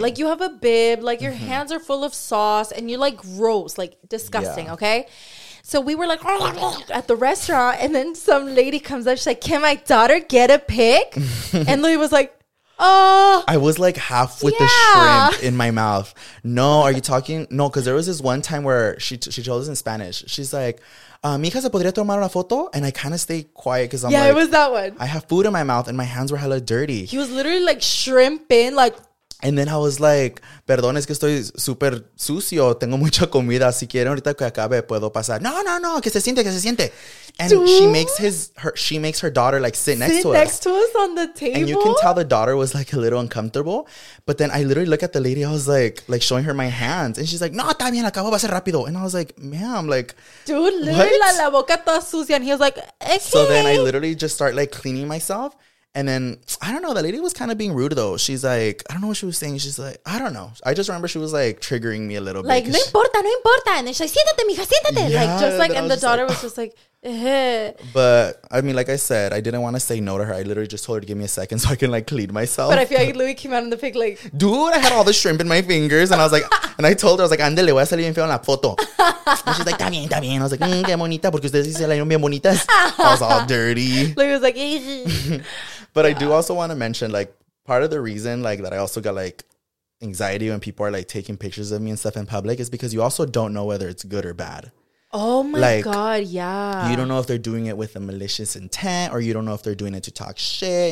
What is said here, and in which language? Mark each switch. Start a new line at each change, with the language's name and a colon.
English: Like you have a bib, like your hands are full of sauce and you're like gross, like disgusting, okay? So we were like at the restaurant and then some lady comes up. She's like, can my daughter get a pic? And Louis was like, I was like half with the shrimp in my mouth. No, are you talking? No, because there was this one time where she told us in Spanish. She's like,
Spanish: mija, ¿se podría tomar una foto?
English: And I kind of stay quiet because I'm like. Yeah, it was that one. I have food in my mouth and my hands were hella dirty. He was literally like shrimping like. And then I was like,
Spanish: perdón, es que estoy súper sucio. Tengo mucha comida. Si quieren ahorita que acabe, puedo pasar. No, que se siente. And
English: dude. she makes her daughter like sit next to us on the table. And you can tell the daughter was like a little uncomfortable. But then I literally look at the lady. I was like showing her my hands. And she's like,
Spanish: no, está bien, acabo, va a ser rápido.
English: And I was like, ma'am, like, dude, literally,
Spanish: la boca está sucia.
English: And he was like, okay. So then I literally just start like cleaning myself. And then, I don't know, that lady was kind of being rude, though. She's like, I don't know what she was saying. She's like, I don't know. I just remember she was, like, triggering me a little like, bit. Like,
Spanish: no importa.
English: And then she's like,
Spanish: siéntate, mija, siéntate.
English: Yeah, like, just like, and the daughter like, was just like, But, I mean, like I said, I didn't want to say no to her. I literally just told her to give me a second so I can, like, clean myself. But I feel like Louis came out in the pic, like, dude, I had all the shrimp in my fingers. And I was like, and I told her, I was like,
Spanish: andele, voy a salir bien feo en la foto.
English: And she's like,
Spanish: está bien, está bien.
English: I was like,
Spanish: qué bonita, porque ustedes sí se la dieron bien bonitas.
English: I was all dirty. Louis was like, But yeah. I do also want to mention, like, part of the reason, like, that I also got, like, anxiety when people are, like, taking pictures of me and stuff in public is because you also don't know whether it's good or bad. Oh, my like, God, yeah. You don't know if they're doing it with a malicious intent, or you don't know if they're doing it to talk shit.